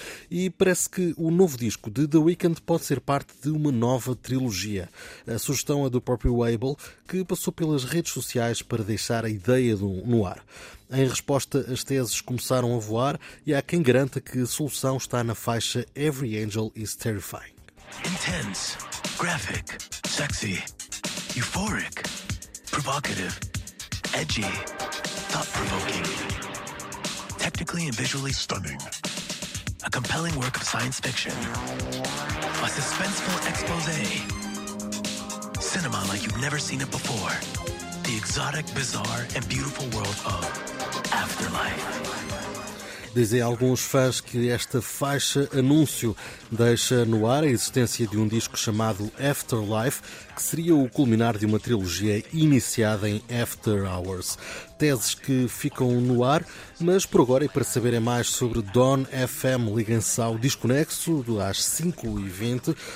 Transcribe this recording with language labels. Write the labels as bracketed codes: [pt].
[pt] E parece que o novo disco de The Weeknd pode ser parte de uma nova trilogia. A sugestão é do próprio Abel, que passou pelas redes sociais para deixar a ideia no ar. Em resposta, as teses começaram a voar e há quem garanta que a solução está na faixa Every Angel is Terrifying. [en] Intense, graphic, sexy, euphoric, provocative, edgy, thought-provoking, technically and visually stunning, a compelling work of science fiction, a suspenseful expose, cinema like you've never seen it before, the exotic, bizarre, and beautiful world of Afterlife. [pt] Dizem alguns fãs que esta faixa anúncio deixa no ar a existência de um disco chamado Afterlife, que seria o culminar de uma trilogia iniciada em After Hours. Teses que ficam no ar, mas por agora e para saberem mais sobre Dawn FM, liguem-se ao Desconexo às 5h20.